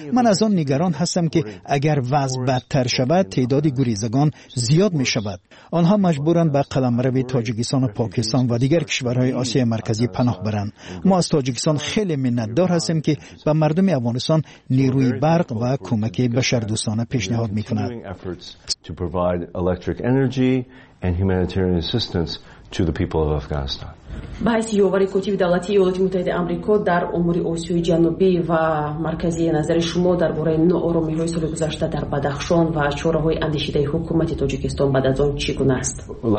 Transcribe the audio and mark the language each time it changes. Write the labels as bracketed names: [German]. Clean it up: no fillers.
[Persian] من از آن نگران هستم که اگر وضع بدتر شود تعداد گریزگان زیاد می شود. آنها مجبورند به قلمرو تاجیکستان و پاکستان و دیگر کشورهای آسیای مرکزی پناه برند. ما از تاجیکستان خیلی منتدار هستیم که به مردم افغانستان نیروی برق و کمک بشردوستانه پیشنهاد میکند. [English] To provide electric energy and humanitarian assistance to the people of Afghanistan. [Persian] به حیث یووری کتیب دولتی ایالات متحده آمریکا در امور آسیای جنوبی و مرکزی، نظر شما درباره نارامی های سال گذشته در بدخشان و چاره های اندیشیده حکومت تاجیکستان بعد از آن چگونه است؟